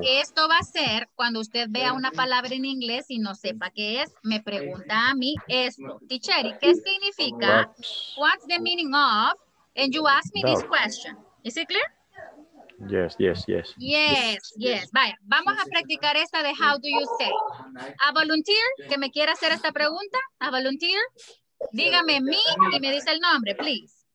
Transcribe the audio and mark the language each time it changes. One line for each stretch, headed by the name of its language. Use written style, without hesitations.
Spanish: Esto va a ser cuando usted vea una palabra en inglés y no sepa qué es, me pregunta a mí esto. Teacher, ¿qué significa?
English: What's the meaning of? And you ask me this question. Is it clear? Yes, yes, yes. Yes, yes.
Spanish: Vaya, vamos a practicar esta de
English: how do you say. A volunteer,
Spanish: que me quiera hacer esta pregunta. A volunteer. Dígame me y me dice el nombre,
English: please.